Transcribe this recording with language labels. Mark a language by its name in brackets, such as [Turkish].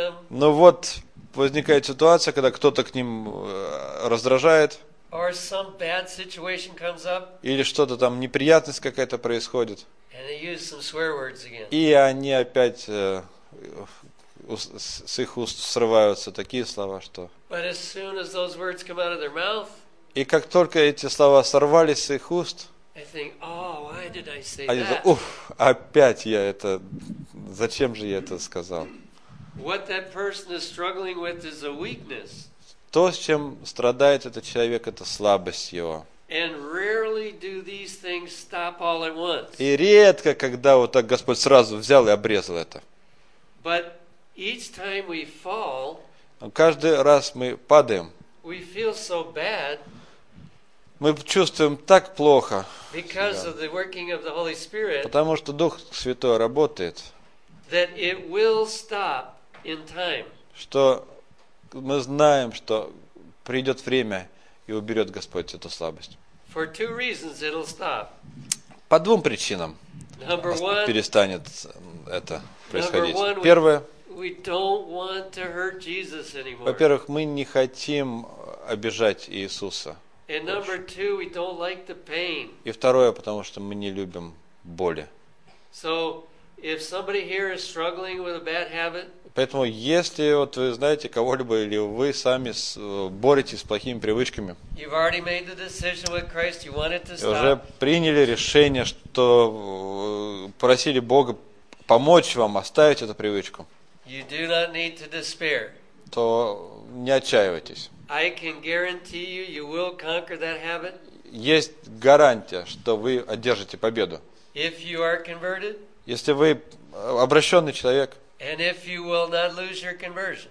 [Russian] Но вот возникает ситуация, когда кто-то к ним раздражает. [English] Or some bad situation comes up. [Russian] Или что-то там, неприятность какая-то происходит. [English] And they use some swear words again. [Russian] И они опять... с их уст срываются такие слова, что... [English] But as soon as those words come out of their mouth, [Russian] и как только эти слова сорвались с их уст, [English] I think, oh, why did I say [Russian] они [English] that? [Russian] Уф, опять я это... Зачем же я это сказал? [English] What that person is struggling with is a weakness. [Russian] То, с чем страдает этот человек, это слабость его. [English] And rarely do these things stop all at once. [Russian] И редко, когда вот так Господь сразу взял и обрезал это. [English] But each time we fall, [Russian] каждый раз мы падаем. [English] We feel so bad. [Russian] Мы чувствуем так плохо. [English] Because of the working of the Holy Spirit. [Russian] Потому что Дух Святой работает. [English] That it will stop in time. [Russian] Что мы знаем, что придет время и уберет Господь эту слабость. [English] For two reasons it'll stop. [Russian] По двум причинам. [English] Number one. [Russian] Перестанет это происходить. [English] Number one, [Russian] первое. [English] We don't want to hurt Jesus anymore. [Russian] Во-первых, мы не хотим обижать Иисуса. [English] And number two, we don't like the pain. [Russian] И второе, потому что мы не любим боли. [English] So, if somebody here is struggling with a bad habit, [Russian] поэтому если вот вы знаете кого-либо или вы сами боретесь с плохими привычками, [English] you've already made the decision with Christ, you want it to stop. [Russian] Уже приняли решение, что просили Бога помочь вам оставить эту привычку, [English] you do not need to despair. [Russian] То не отчаивайтесь. [English] I can guarantee you, you will conquer that habit. [Russian] Есть гарантия, что вы одержите победу. [English] If you are converted, [Russian] если вы обращенный человек, [English] and if you will not lose your conversion,